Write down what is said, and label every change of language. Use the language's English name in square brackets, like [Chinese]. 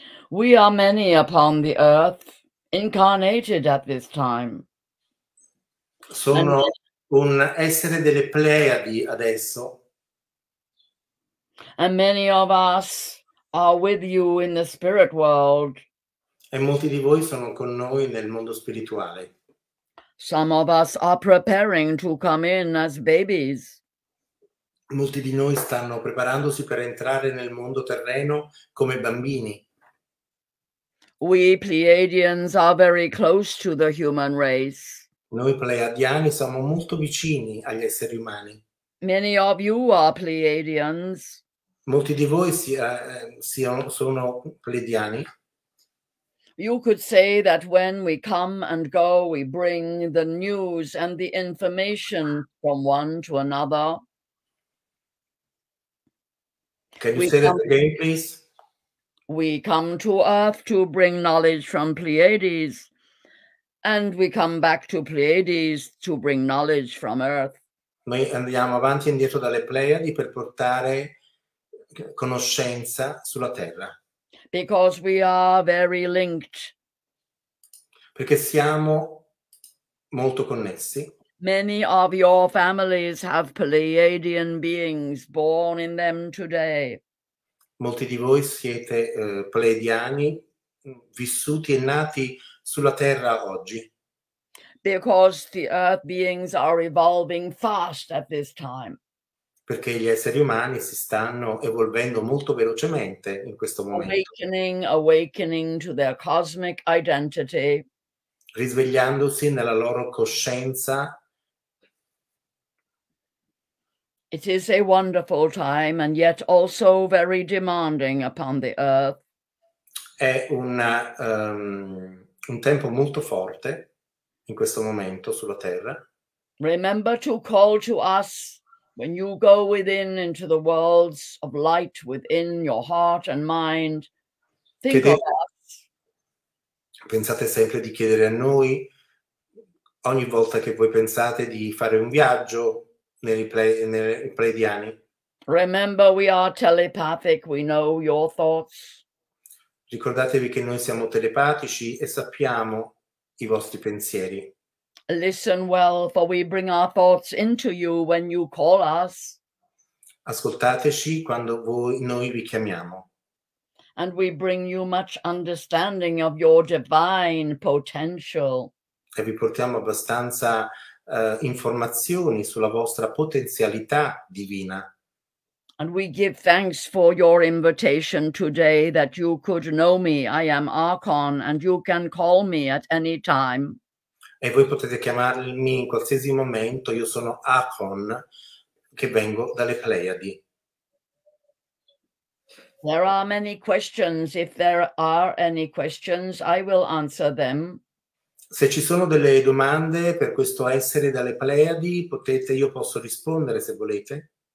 [English] We are many upon the earth, incarnated at this time. [Italian] Sono un essere delle Pleiadi adesso. [English] And many of us are with you in the spirit world. [Italian] E molti di voi sono con noi nel mondo spirituale. [English] Some of us are preparing to come in as babies. [Italian] Molti di noi stanno preparandosi per entrare nel mondo terreno come bambini. [English] We Pleiadians are very close to the human race. [Italian] Noi Pleiadiani siamo molto vicini agli esseri umani. [English] Many of you are Pleiadians. [Italian] Molti di voi sono Pleiadiani. [English] You could say that when we come and go, we bring the news and the information from one to another. Can you say that again, please? We come to Earth to bring knowledge from Pleiades, and we come back to Pleiades to bring knowledge from Earth. [Italian] Noi andiamo avanti e indietro dalle Pleiadi per portare conoscenza sulla Terra. [English] Because we are very linked. [Italian] Perché siamo molto connessi. [English] Many of your families have Pleiadian beings born in them today. [Italian] Molti di voi siete Pleiadiani vissuti e nati sulla Terra oggi. [English] Because the Earth beings are evolving fast at this time. [Italian] Perché gli esseri umani si stanno evolvendo molto velocemente in questo momento. [English] Awakening to their cosmic identity. [Italian] Risvegliandosi nella loro coscienza. [English] It is a wonderful time and yet also very demanding upon the earth. [Italian] È un tempo molto forte in questo momento sulla Terra. [English] Remember to call to us. When you go within into the worlds of light within your heart and mind, think of us. [Italian] Pensate sempre di chiedere a noi ogni volta che voi pensate di fare un viaggio nei Pleiadiani. [English] Remember, we are telepathic, we know your thoughts. [Italian] Ricordatevi che noi siamo telepatici e sappiamo i vostri pensieri. [English] Listen well, for we bring our thoughts into you when you call us. [Italian] Ascoltateci quando noi vi chiamiamo. [English] And we bring you much understanding of your divine potential. [Italian] E vi portiamo abbastanza informazioni sulla vostra potenzialità divina. [English] And we give thanks for your invitation today that you could know me. I am Archon and you can call me at any time. [Italian] E voi potete chiamarmi in qualsiasi momento. Io sono Archon, che vengo dalle Pleiadi. [English] There are many questions. If there are any questions, I will answer them. [Italian] Se ci sono delle domande per questo essere dalle Pleiadi, potete, io posso rispondere se volete.